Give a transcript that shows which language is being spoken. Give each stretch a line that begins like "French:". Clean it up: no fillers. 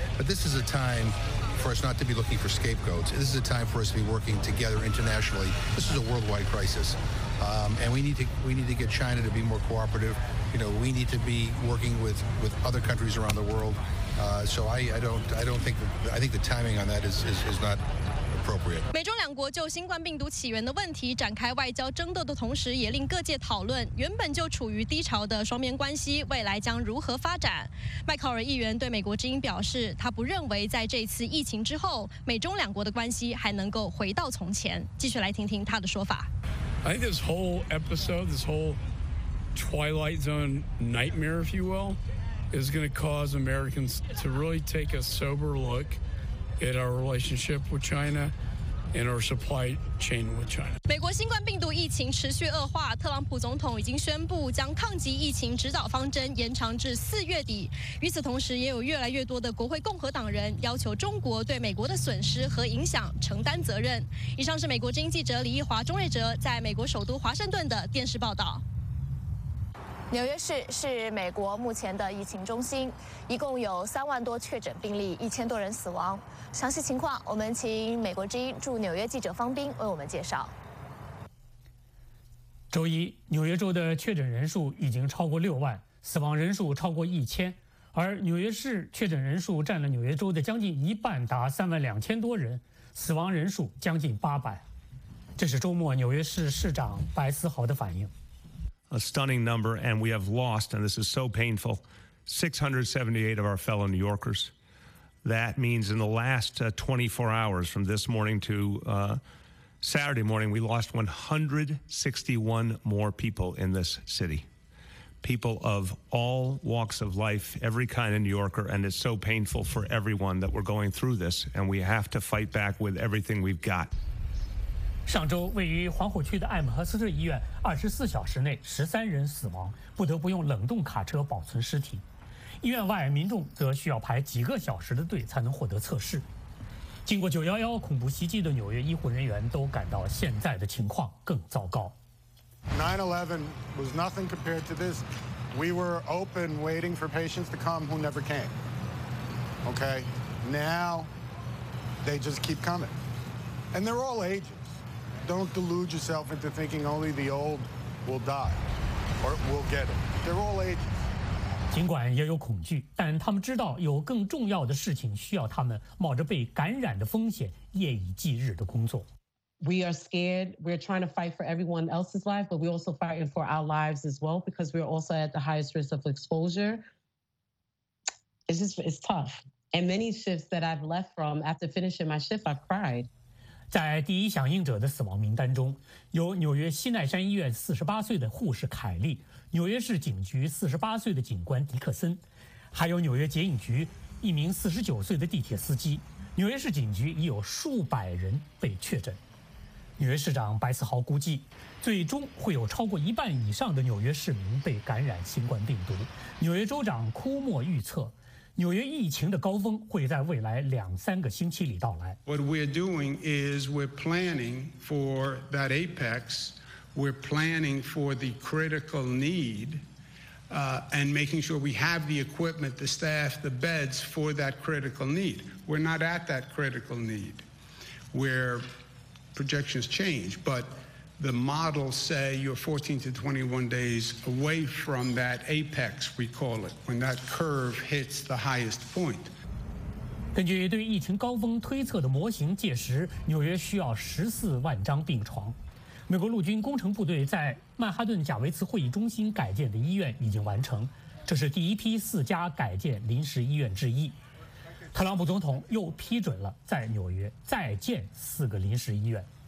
English: But this is a time for us not to be looking for scapegoats. This is a time for us to be working together internationally. This is a worldwide crisis. And we need to get China to be more cooperative. You know, we need to be working with other countries around the world. So I think the timing on that is not appropriate.
Chinese: 美中两国就新冠病毒起源的问题展开外交争斗的同时，也令各界讨论原本就处于低潮的双边关系未来将如何发展。迈考尔议员对美国之音表示，他不认为在这次疫情之后，美中两国的关系还能够回到从前。继续来听听他的说法。
English: I think this whole episode, this whole Twilight Zone nightmare, if you will, is going to cause Americans to really take a sober look at our relationship with China. In our supply chain with China.
Chinese: 美国新冠病毒疫情持续恶化，特朗普总统已经宣布将抗击疫情指导方针延长至四月底。与此同时，也有越来越多的国会共和党人要求中国对美国的损失和影响承担责任。以上是美国之音记者李一华、钟瑞哲在美国首都华盛顿的电视报道。纽约市是美国目前的疫情中心，一共有30,000多确诊病例，1,000多人死亡。详细情况，我们请美国之音驻纽约记者方斌为我们介绍。周一，纽约州的确诊人数已经超过60,000，死亡人数超过1,000，而纽约市确诊人数占了纽约州的将近一半，达32,000多人，死亡人数将近800。这是周末纽约市市长白思豪的反应。
English: A stunning number, and we have lost, and this is so painful, 678 of our fellow New Yorkers. That means in the last 24 hours from this morning to Saturday morning, we lost 161 more people in this city. People of all walks of life, every kind of New Yorker, and it's so painful for everyone that we're going through this, and we have to fight back with everything we've got.
Chinese: 上周，位于黄浦区的艾姆和斯特医院，24小时内13人死亡，不得不用冷冻卡车保存尸体。医院外，民众则需要排几个小时的队才能获得测试。经过9/11恐怖袭击的纽约医护人员都感到现在的情况更糟糕。
English: 9/11 was nothing compared to this. We were open, waiting for patients to come who never came. Okay, now they just keep coming, and they're all ages. Don't delude yourself into thinking only the old will die or will get it. They're all ages.
Chinese: 尽管也有恐惧，但他们知道有更重要的事情需要他们冒着被感染的风险夜以继日的工作。
English: We are scared. We're trying to fight for everyone else's life, but we're also fighting for our lives as well because we're also at the highest risk of exposure. It's tough. And many shifts that I've left from after finishing my shift, I've cried.
Chinese: 在第一响应者的死亡名单中，有纽约西奈山医院48岁的护士凯莉，纽约市警局48岁的警官迪克森，还有纽约捷运局一名49岁的地铁司机。纽约市警局已有数百人被确诊。纽约市长白思豪估计，最终会有超过一半以上的纽约市民被感染新冠病毒。纽约州长库莫预测。纽约疫情的高峰会在未来2-3个星期里到来。
English: What we're doing is we're planning for that apex. We're planning for the critical need, and making sure we have the equipment, the staff, the beds for that critical need. We're not at that critical need. Where projections change, but the models say you're 14 to 21 days away from that apex, we call it, when that curve hits the highest point.
Chinese: 根据对疫情高峰推测的模型，届时纽约需要140,000张病床。美国陆军工程部队在曼哈顿贾维茨会议中心改建的医院已经完成，这是第一批4家改建临时医院之一。特朗普总统又批准了在纽约再建四个临时医院。